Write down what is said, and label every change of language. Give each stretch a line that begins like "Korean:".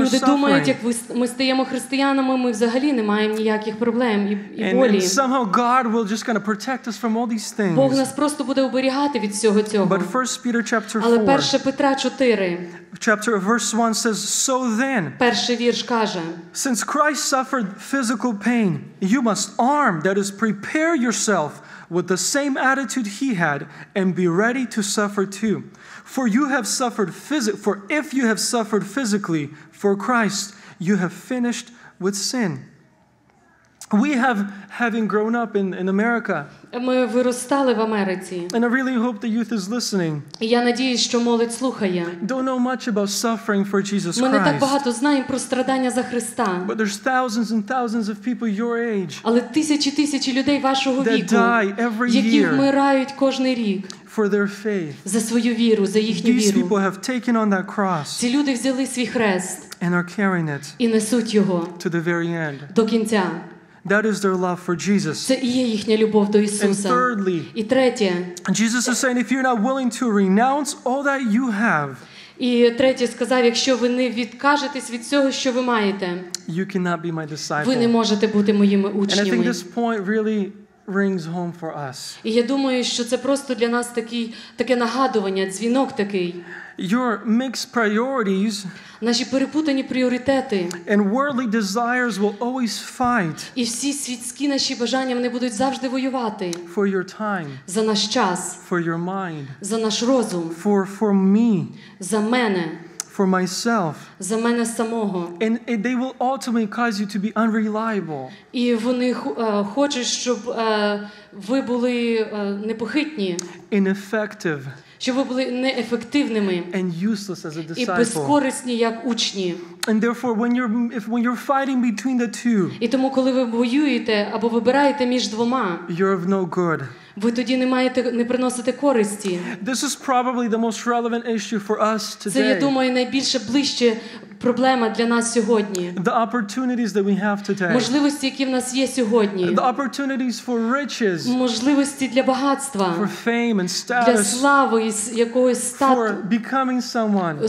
Ukrainian: Люди думають, як ми стаємо християнами, ми взагалі не маємо ніяких проблем і болі.
English: And somehow God will just kind of protect us from all these things.
Ukrainian: Бог нас просто буде оберігати від всього цього.
English: But 1 Peter chapter 4.
Ukrainian: Але 1 Петра 4.
English: Chapter verse 1 says, so then,
Ukrainian: перший вірш каже,
English: since Christ suffered physical pain, you must arm, that is prepare yourself with the same attitude he had and be ready to suffer too. For you have suffered for if you have suffered physically for Christ, you have finished with sin. We have, having grown up in America,
Ukrainian: ми виростали в Америці.
English: And I really hope the youth is listening.
Ukrainian: Я надіюсь, що молодь слухає.
English: Don't know much about suffering for Jesus
Ukrainian: Christ. Ми не так багато знаємо про страдання за Христа.
English: But there's thousands and thousands of people your age.
Ukrainian: Але тисячі людей вашого віку.
English: That die every year.
Ukrainian: Які вмирають кожний рік.
English: For their faith.
Ukrainian: За свою віру, за їхню
English: These
Ukrainian: віру.
English: People have taken on that cross.
Ukrainian: Ці люди взяли свій хрест.
English: And are carrying it.
Ukrainian: І несуть його.
English: To the very end.
Ukrainian: До кінця.
English: That is their love for Jesus.
Ukrainian: Це і є їхня любов до Ісуса.
English: And thirdly,
Ukrainian: і третє,
English: Jesus is saying, if you're not willing to renounce all that you have,
Ukrainian: і третє сказав, якщо ви не відкажетесь від цього, що ви маєте,
English: you cannot be my disciple.
Ukrainian: Ви не можете бути моїми учнями.
English: And I think this point really rings home for us.
Ukrainian: І я думаю, що це просто для нас такий, таке нагадування, дзвінок такий.
English: Your mixed priorities,
Ukrainian: наші перепутані пріоритети,
English: and worldly desires will always fight,
Ukrainian: і всі світські наші бажання, вони будуть завжди воювати,
English: for your time,
Ukrainian: за наш час,
English: for your mind,
Ukrainian: за наш розум,
English: for me,
Ukrainian: за мене,
English: for myself,
Ukrainian: за мене самого,
English: and they will ultimately cause you to be unreliable,
Ukrainian: і вони хочуть, щоб ви були непохитні,
English: ineffective,
Ukrainian: щоб ви були неефективними і безкорисні як учні.
English: And therefore when you're fighting between the two,
Ukrainian: і тому коли ви воюєте або вибираєте між двома,
English: you're of no good.
Ukrainian: Ви тоді не маєте не приносити користі.
English: This is probably the most relevant issue for us today.
Ukrainian: Це, я думаю, найбільше ближче проблема для нас сьогодні.
English: The opportunities that we have today.
Ukrainian: Можливості, які в нас є сьогодні.
English: The opportunities for riches.
Ukrainian: Можливості для багатства.
English: For fame and status.
Ukrainian: Для слави і якогось статусу.
English: For becoming someone.